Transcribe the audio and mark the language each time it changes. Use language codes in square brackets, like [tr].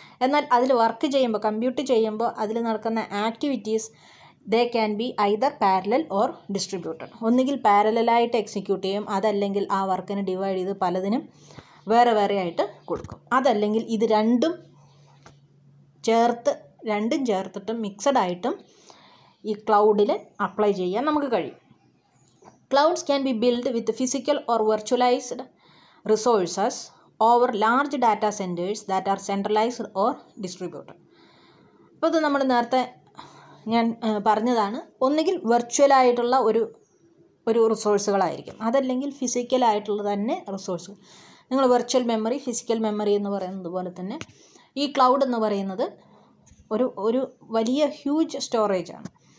[ml] എന്നാൽ അതിൽ വർക്ക് ചെയ്യുമ്പോൾ, കമ്പ്യൂട്ട് ചെയ്യുമ്പോൾ അതിൽ നടക്കുന്ന activities [en] They can be either parallel or distributed. [ml] ഒന്നുകിൽ പാരലലായിട്ട് എക്സിക്യൂട്ട് ചെയ്യും, അതല്ലെങ്കിൽ ആ വർക്കിന് ഡിവൈഡ് ചെയ്ത് പലതിനും വേറെ വേറെ ആയിട്ട് കൊടുക്കും, അതല്ലെങ്കിൽ ഇത് രണ്ടും ചേർത്ത്, രണ്ടും ചേർത്തിട്ടും മിക്സഡ് ആയിട്ടും ഈ ക്ലൗഡിൽ അപ്ലൈ ചെയ്യാൻ നമുക്ക് കഴിയും. [en] Clouds can be built with physical or virtualized resources over large data centers that are centralized or distributed. [ml] ഇപ്പോൾ ഇത് നമ്മൾ നേരത്തെ ഞാൻ പറഞ്ഞതാണ്, ഒന്നുകിൽ വെർച്വലായിട്ടുള്ള ഒരു ഒരു റിസോഴ്സുകളായിരിക്കും, അതല്ലെങ്കിൽ ഫിസിക്കലായിട്ടുള്ള തന്നെ റിസോഴ്സ്. നിങ്ങൾ വെർച്വൽ മെമ്മറി, ഫിസിക്കൽ മെമ്മറി എന്ന് പറയുന്നത് പോലെ തന്നെ ഈ ക്ലൗഡ് എന്ന് പറയുന്നത് ഒരു ഒരു വലിയ ഹ്യൂജ് സ്റ്റോറേജാണ്.